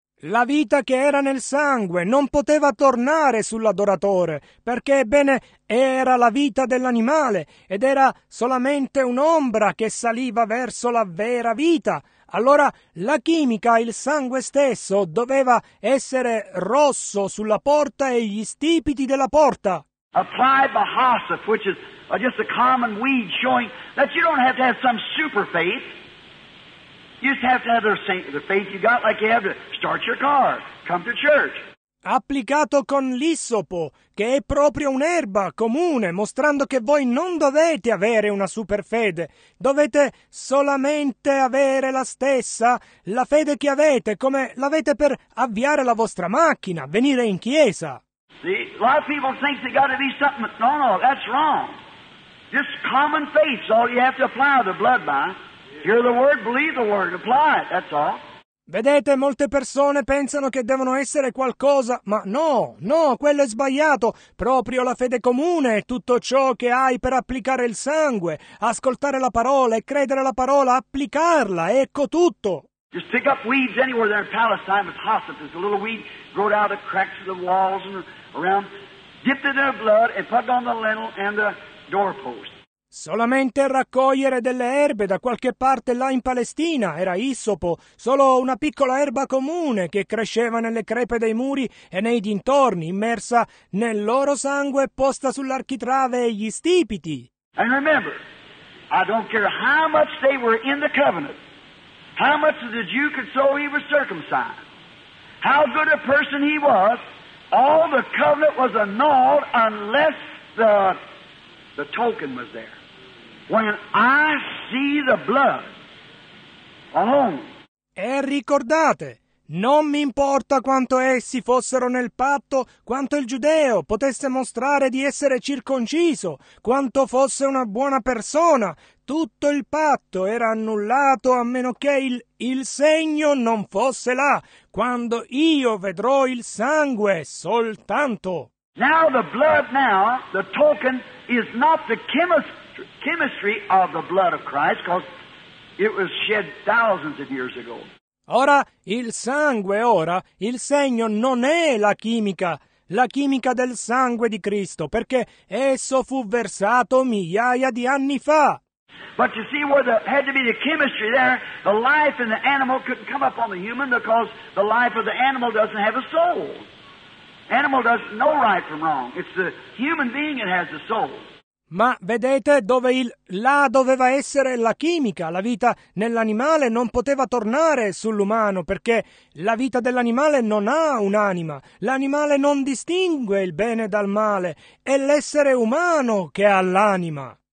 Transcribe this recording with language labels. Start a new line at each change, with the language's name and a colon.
Italian: La vita che era nel sangue non poteva tornare sull'adoratore, perché, ebbene, era la vita dell'animale ed era solamente un'ombra che saliva verso la vera vita. Allora la chimica, il sangue stesso, doveva essere rosso sulla porta e gli stipiti della porta.
English: Apply Bahasif, which is just a common weed, showing that you don't have to have some super faith. You just have to have the faith you got, like you have to start your car, come to church.
Italian: Applicato con l'issopo, che è proprio un'erba comune, mostrando che voi non dovete avere una superfede, dovete solamente avere la stessa, la fede che avete, come l'avete per avviare la vostra macchina, venire in chiesa.
English: See, a lot of people think they got to be something. No, no, that's wrong. Just common faith is all you have to apply the blood by. Hear the word, believe the word, apply it, that's all.
Italian: Vedete, molte persone pensano che devono essere qualcosa, ma no, no, quello è sbagliato. Proprio la fede comune è tutto ciò che hai per applicare il sangue, ascoltare la parola e credere alla parola, applicarla, ecco tutto.
English: Just pick up weeds anywhere there in Palestine, with Hassan. There's a little weed grow out of the cracks of the walls and around. Dip in their blood and put it on the lintel and the doorpost.
Italian: Solamente raccogliere delle erbe da qualche parte là in Palestina, era issopo, solo una piccola erba comune che cresceva nelle crepe dei muri e nei dintorni, immersa nel loro sangue, posta sull'architrave e gli stipiti.
English: And remember, I don't care how much they were in the covenant, how much of the Jew could so he was circumcised, how good a person he was, all the covenant was annulled unless the token was there. When I see the blood alone.
Italian: E ricordate, non mi importa quanto essi fossero nel patto, quanto il giudeo potesse mostrare di essere circonciso, quanto fosse una buona persona, tutto il patto era annullato a meno che il segno non fosse là, quando io vedrò il sangue soltanto.
English: Now the blood, now the token is not the chemistry of the blood of Christ, because it was shed thousands of years ago.
Italian: Ora il sangue, ora il segno non è la chimica del sangue di Cristo, perché esso fu versato migliaia di anni fa.
English: But you see where there had to be the chemistry there, the life in the animal couldn't come up on the human, because the life of the animal doesn't have a soul. Animal does no right from wrong. It's the human being that has the soul.
Italian: Ma vedete dove là doveva essere la chimica, la vita nell'animale non poteva tornare sull'umano, perché la vita dell'animale non ha un'anima, l'animale non distingue il bene dal male, è l'essere umano che ha l'anima.